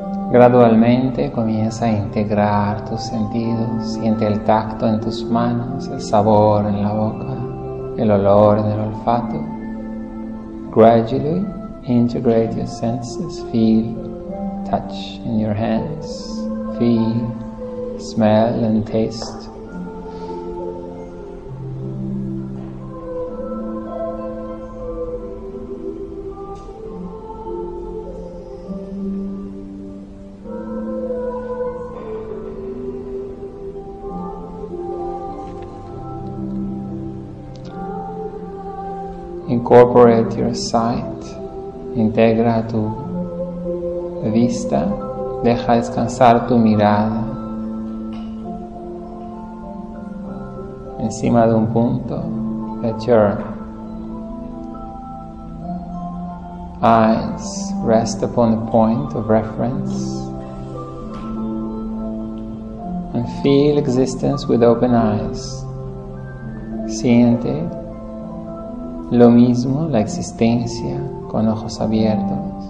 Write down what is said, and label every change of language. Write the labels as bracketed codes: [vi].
[es] Gradualmente comienza a integrar tus sentidos, siente el tacto en tus manos, el sabor en la boca, el olor en el olfato. [en] Gradually integrate your senses, feel touch in your hands, feel smell and taste. Incorporate your sight, [es] integra tu vista, deja descansar tu mirada encima de un punto. [en] Let your eyes rest upon a point of reference and feel existence with open eyes. [es] Siente lo mismo, la existencia con ojos abiertos.